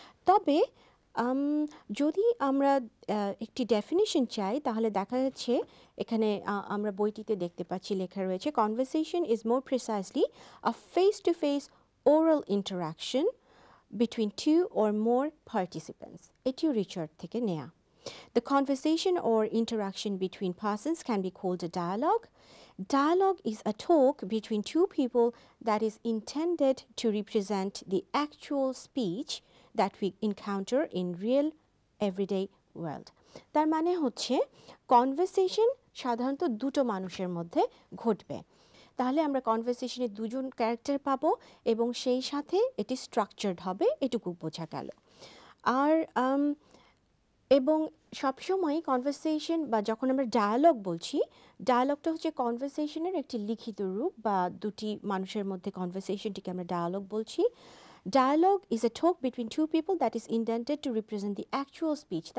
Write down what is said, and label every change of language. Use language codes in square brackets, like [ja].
[bn] তবে যদি আমরা একটি ডেফিনিশন চাই তাহলে দেখা যাচ্ছে এখানে আমরা বইটিতে দেখতে পাচ্ছি লেখা রয়েছে, [en] Conversation is more precisely a face to face oral interaction between two or more participants. [bn] এটিও রিচার্ড থেকে নেয়া। [en] The conversation or interaction between persons can be called a dialogue. Dialogue is a talk between two people that is intended to represent the actual speech that we encounter in real everyday world. [bn] তার মানে হচ্ছে, [en] conversation [bn] সাধারণত দুটো মানুষের মধ্যে ঘটবে তাহলে আমরা কনভারসেশনে দুজন ক্যারেক্টার পাবো এবং সেই সাথে এটি স্ট্রাকচারড হবে এটুকু বোঝা গেল আর এবং সবসময় কনভারসেশন বা যখন আমরা ডায়ালগ বলছি ডায়ালগটা হচ্ছে কনভারসেশনের একটি লিখিত রূপ বা দুটি মানুষের মধ্যে কনভারসেশনটিকে আমরা ডায়ালগ বলছি [en] Dialogue is a talk between two people that is indented to represent the actual speech.